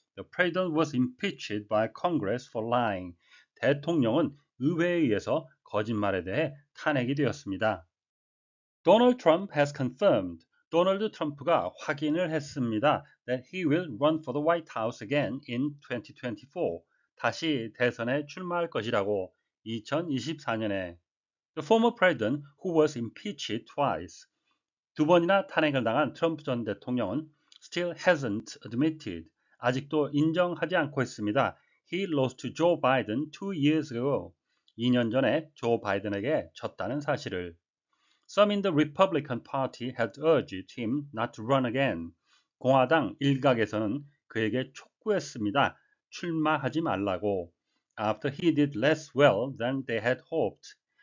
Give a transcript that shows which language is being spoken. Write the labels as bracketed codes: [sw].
[en] The president was impeached by Congress for lying. [ko] 대통령은 의회에 의해서 거짓말에 대해 탄핵이 되었습니다. [en] Donald Trump has confirmed. [ko] 도널드 트럼프가 확인을 했습니다. [en] That he will run for the White House again in 2024. [ko] 다시 대선에 출마할 것이라고 2024년에. [en] The former president who was impeached twice. [ko] 두 번이나 탄핵을 당한 트럼프 전 대통령은 [en] still hasn't admitted. [ko] 아직도 인정하지 않고 있습니다. [en] He lost to Joe Biden 2 years ago. [ko] 2년 전에 조 바이든에게 졌다는 사실을. [en] Some in the Republican Party had urged him not to run again. [ko] 공화당 일각에서는 그에게 촉구했습니다. 출마하지 말라고. [en] After he did less well than they had hoped.